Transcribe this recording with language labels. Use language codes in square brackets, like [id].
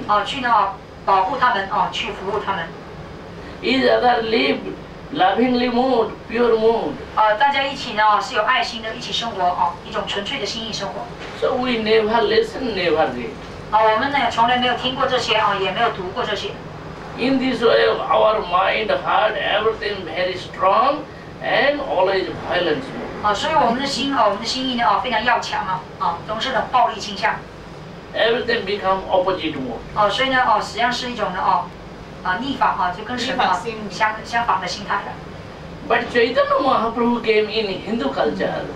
[zh] 哦，去呢哦保护他们哦，去服务他们。 [en] Each other live. Lovingly mood, pure mood. [zh] 大家一起呢是有爱心的，一起生活啊，一种纯粹的心意生活。 [en] So we never listen, never read. [zh] 我们呢从来没有听过这些啊，也没有读过这些。 [en] In this way, our mind, heart, everything very strong and always violent. [zh] 所以我们的心啊，我们的心意呢啊，非常要强啊，啊，都是的暴力倾向。 [en] Everything become opposite mood. [zh] 所以呢啊，实际上是一种的啊。逆法啊，就跟什么相反的心态了。 [en] But Chaitanya Mahaprabhu came in Hindu culture.